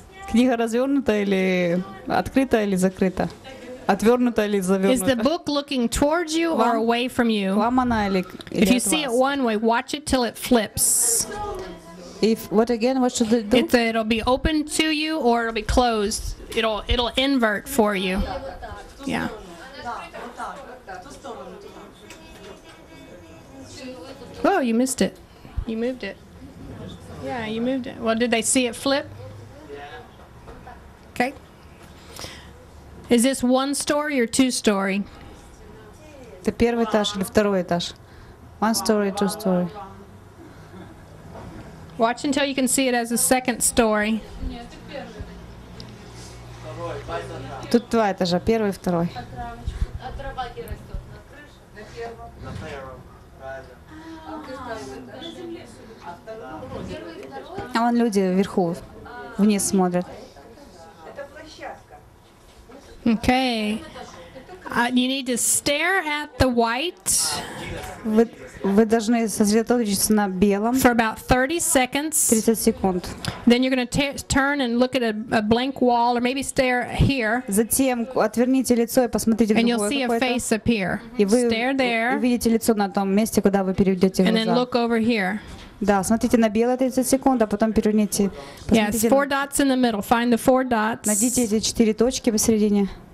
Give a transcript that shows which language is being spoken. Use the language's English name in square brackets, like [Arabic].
[Russian] Книга развернута или открыта или закрыта? Отвернута или завернута? [English] Is the book looking towards you or away from you? [Russian] Вам она или от вас? [English] If you see it one way, watch it till it flips. If what again? What should it do? It'll be open to you or it'll be closed. It'll invert for you. Yeah. Oh, you missed it. You moved it. Yeah, you moved it. Well, did they see it flip? Yeah. Okay. Is this one story or two story? [Russian] The первый этаж или второй этаж? [English] One story, two story. Watch until you can see it as a second story. [Russian] Тут два этажа, первый и второй. А вон люди вверху, вниз смотрят. [English] Okay. You need to stare at the white. [Russian] Вы должны сосредоточиться на белом. [English] For about 30 seconds. [Russian] 30 секунд. [English] Then you're going to turn and look at a blank wall, or maybe stare here. [Russian] Затем отверните лицо и посмотрите в другое какое-то. [English] And you'll see a face appear. [Russian] И вы увидите лицо на том месте, куда вы переведете глаза. [English] And then look over here. [Russian] Да, смотрите на белое 30 секунд, а потом переверните. [English] Yes, four dots in the middle. Find the four dots. [Russian] Найдите эти четыре точки посередине.